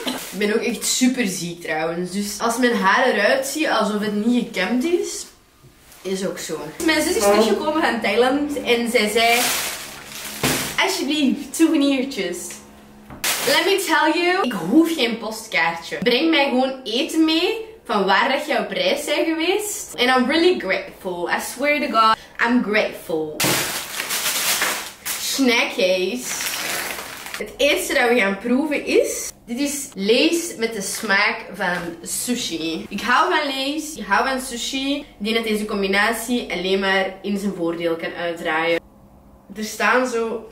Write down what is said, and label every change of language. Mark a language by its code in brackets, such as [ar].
[nl] Ik ben ook echt super ziek trouwens. Dus als mijn haar eruit ziet alsof het niet gekemd is, is ook zo. Mijn zus is teruggekomen van Thailand en zij zei: alsjeblieft, souvenirtjes. [en] Let me tell you, [nl] ik hoef geen postkaartje. Breng mij gewoon eten mee van waar dat jouw prijs zijn geweest. [en] And I'm really grateful. I swear to God, I'm grateful. [nl] Snackies. Het eerste dat we gaan proeven is... Dit is Lay's met de smaak van sushi. Ik hou van Lay's, ik hou van sushi. Ik denk dat deze combinatie alleen maar in zijn voordeel kan uitdraaien. Er staan zo...